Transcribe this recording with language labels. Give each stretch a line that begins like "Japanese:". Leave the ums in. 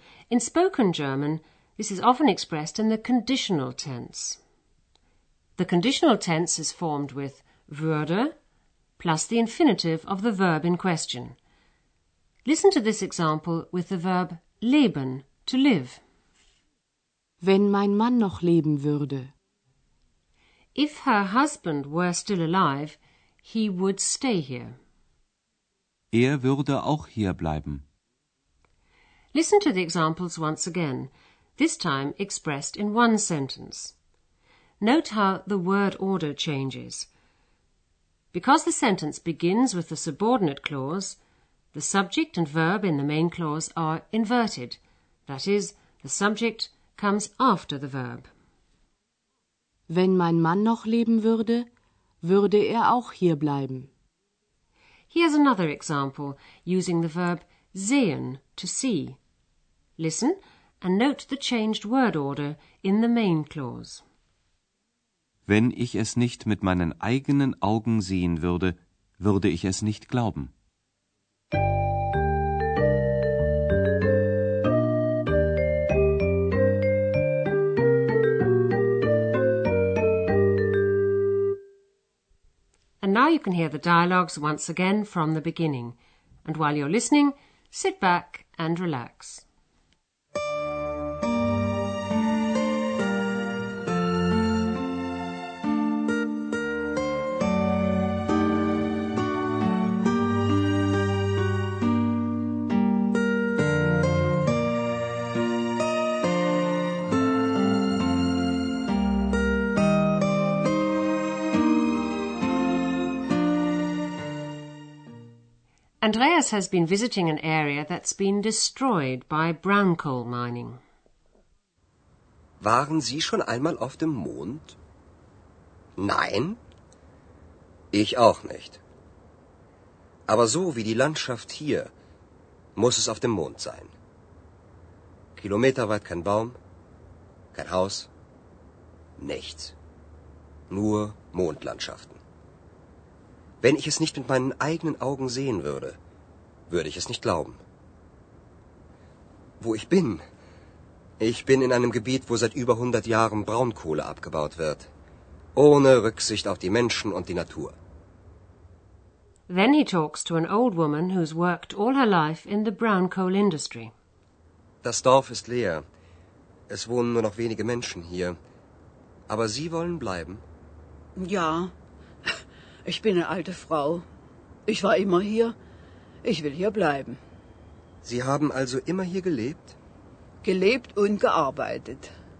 English: In spoken German, this is often expressed in the conditional tense. The conditional tense is formed with würde plus the infinitive of the verb in question. Listen to this example with the verb leben, to live.
German: Wenn mein Mann noch leben würde.
English: If her husband were still alive, he would stay here.
German: Er würde auch hier bleiben.
English: Listen to the examples once again, this time expressed in one sentence. Note how the word order changes. Because the sentence begins with the subordinate clause, the subject and verb in the main clause are inverted. That is, the subject comes after the verb.
German: Wenn mein Mann noch leben würde, würde er auch hier bleiben.
English: Here's another example using the verb sehen to see. Listen and note the changed word order in the main clause.
German: Wenn ich es nicht mit meinen eigenen Augen sehen würde, würde ich es nicht glauben.
English: you can hear the dialogues once again from the beginning. And while you're listening, sit back and relax. Andreas has been visiting an area that's been destroyed by brown coal mining.
German: Waren Sie schon einmal auf dem Mond? Nein? Ich auch nicht. Aber so wie die Landschaft hier, muss es auf dem Mond sein. Kilometerweit kein Baum, kein Haus, nichts. Nur Mondlandschaften. Wenn ich es nicht mit meinen eigenen Augen sehen würde, würde ich es nicht glauben. Wo ich bin? Ich bin in einem Gebiet, wo seit über hundert Jahren Braunkohle abgebaut wird, ohne Rücksicht auf die Menschen und die Natur.
English: Then he talks to an old woman who's worked all her life in the brown coal industry.
German: Das Dorf ist leer. Es wohnen nur noch wenige Menschen hier. Aber Sie wollen bleiben? Ja, ich bin eine alte Frau. Ich war immer hier. Ich will hier bleiben. Sie haben also immer hier gelebt? Gelebt und gearbeitet.